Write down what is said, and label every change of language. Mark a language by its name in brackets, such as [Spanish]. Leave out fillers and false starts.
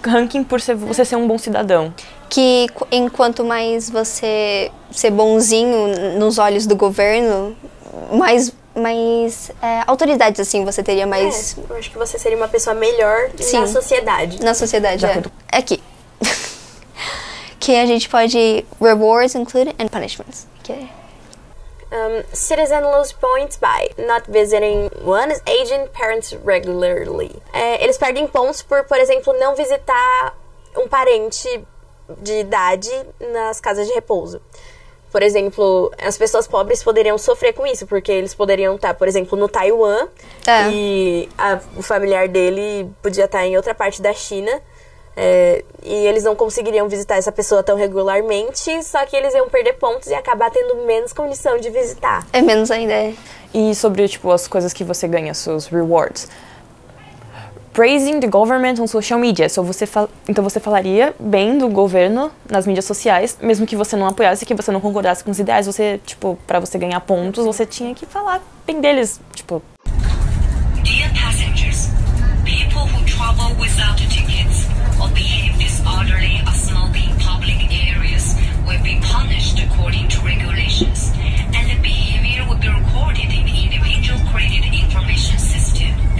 [Portuguese] De ranking por você ser um bom cidadão. Que enquanto mais você ser bonzinho nos olhos do governo, mais autoridades, assim, você teria mais... É, eu acho que você seria uma pessoa melhor. Sim. Na sociedade, é. Aqui. Que a gente pode [English] rewards included and punishments. Okay. Citizen lose points by not visiting one aging parents regularly. [Portuguese] Eles perdem pontos por exemplo, não visitar um parente de idade nas casas de repouso. Por exemplo, as pessoas pobres poderiam sofrer com isso, porque eles poderiam estar, por exemplo, no Taiwan. Ah. E o familiar dele podia estar em outra parte da China. E eles não conseguiriam visitar essa pessoa tão regularmente, só que eles iam perder pontos e acabar tendo menos condição de visitar. É menos ainda, é. E sobre, tipo, as coisas que você ganha, seus rewards. [English] Praising the government on social media. [Portuguese] So então você falaria bem do governo nas mídias sociais, mesmo que você não apoiasse, que você não concordasse com os ideais, você, tipo, pra você ganhar pontos, você tinha que falar bem deles, tipo... [English] Dear passengers, people who travel without tickets or behave disorderly or smoke in public areas will be punished according to regulations, and the behavior will be recorded in the individual credit information system.